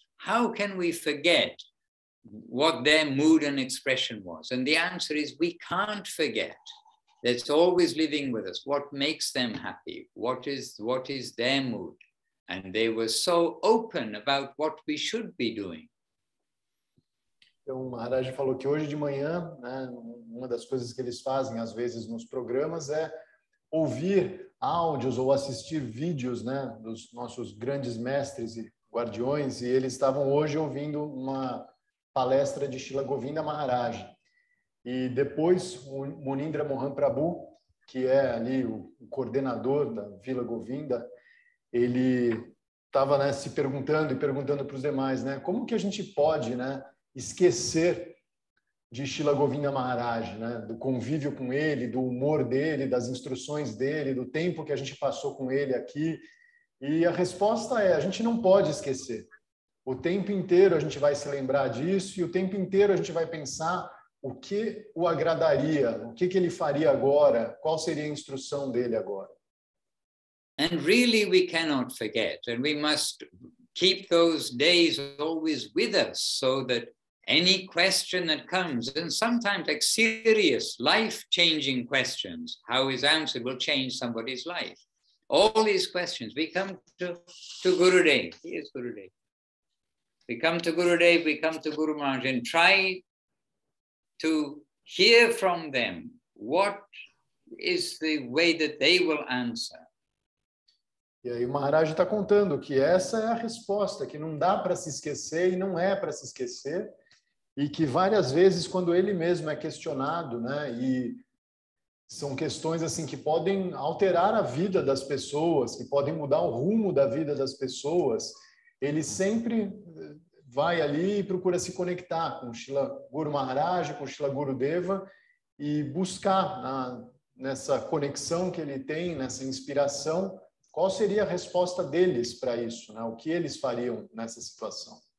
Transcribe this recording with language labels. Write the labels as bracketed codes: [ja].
[en] How can we forget what their mood and expression was? And the answer is, we can't forget. That's always living with us. What makes them happy? What is their mood? And they were so open about what we should be doing. [pt] Então, o Maharaj falou que hoje de manhã, né, uma das coisas que eles fazem, às vezes, nos programas é ouvir áudios ou assistir vídeos, né, dos nossos grandes mestres e guardiões, e eles estavam hoje ouvindo uma palestra de Srila Govinda Maharaj. E depois, o Munindra Mohan Prabhu, que é ali o coordenador da Vila Govinda, ele estava, né, se perguntando e perguntando para os demais, né, como que a gente pode, né, esquecer de Srila Govinda Maharaj, né, do convívio com ele, do humor dele, das instruções dele, do tempo que a gente passou com ele aqui. E a resposta é, a gente não pode esquecer. O tempo inteiro a gente vai se lembrar disso e o tempo inteiro a gente vai pensar o que o agradaria, o que ele faria agora, qual seria a instrução dele agora. [en] And really we cannot forget, and we must keep those days always with us so that any question that comes, and sometimes like serious life-changing questions, how is answered will change somebody's life. All these questions, we come to Gurudev. He is Gurudev. We come to Gurudev, we come to Guru Maharaj and try to hear from them what is the way that they will answer. [pt] E aí o Maharaj está contando que essa é a resposta, que não dá para se esquecer e não é para se esquecer, e que várias vezes quando ele mesmo é questionado, né, e são questões assim que podem alterar a vida das pessoas, que podem mudar o rumo da vida das pessoas, ele sempre vai ali e procura se conectar com o Srila Guru Maharaj, com o Srila Guru Deva, e buscar nessa conexão que ele tem, nessa inspiração, qual seria a resposta deles para isso, né? O que eles fariam nessa situação.